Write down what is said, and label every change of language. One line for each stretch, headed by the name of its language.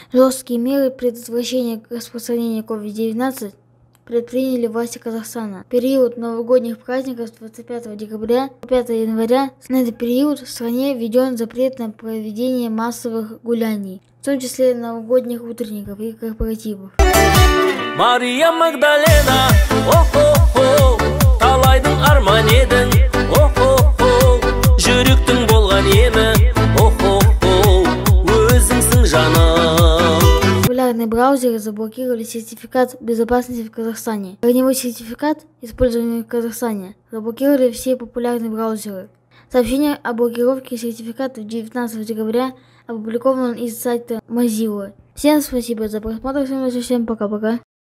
Russian: Жесткие меры предотвращения распространения COVID-19 предприняли власти Казахстана. Период новогодних праздников с 25 декабря по 5 января. На этот период в стране введен запрет на проведение массовых гуляний, в том числе новогодних утренников и корпоративов.
Kazakh: Мария Магдалена, о-хо-хо, талайдың арман едің, о-хо-хо, жүректің болған емі, о-хо-хо, өзіңсің жаным.
Russian: Популярные браузеры заблокировали сертификат безопасности в Казахстане. Корневой сертификат, используемый в Казахстане, заблокировали все популярные браузеры. Сообщение о блокировке сертификатов 19 декабря опубликовано из сайта Mozilla. Всем спасибо за просмотр, всем пока-пока.